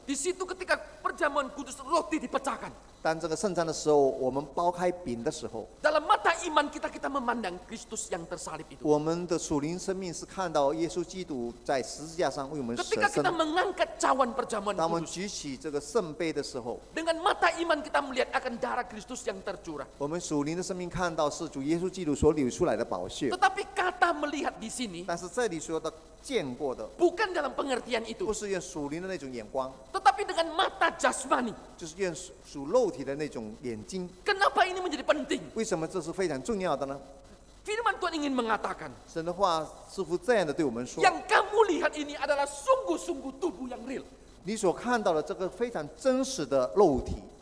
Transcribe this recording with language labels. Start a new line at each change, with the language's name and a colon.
Indonesian: Di situ ketika perjamuan kudus roti dipecahkan.
Chinese: 当这个圣餐的时候，我们剥开饼的时候,
Indonesian: dalam mata iman kita memandang Kristus yang tersalib itu.
Chinese: 我们的属灵生命是看到耶稣基督在十字架上为我们舍身.
Indonesian: Ketika kita mengangkat cawan perjamuan kudus,
Chinese: 当我们举起这个圣杯的时候,
Indonesian: dengan mata iman kita melihat akan darah Kristus yang tercurah.
Chinese: 我们属灵的生命看到是主 耶稣基督所流出来的宝血。
Indonesian: Tetapi kata melihat di sini,
Chinese: 但是这里说的见过的,
Indonesian: bukan dalam pengertian itu,
Chinese: 不是用属灵的那种眼光,
Indonesian: tetapi dengan mata jasmani,
Chinese: 就是用属肉体的那种眼睛。
Indonesian: Kenapa ini menjadi penting?
Chinese: 为什么这是非常重要的呢?
Indonesian: Firman Tuhan ingin mengatakan,
Chinese: 神的话似乎这样的对我们说,
Indonesian: yang kamu lihat ini adalah sungguh-sungguh tubuh yang real.
Chinese: 你所看到的这个非常真实的肉体,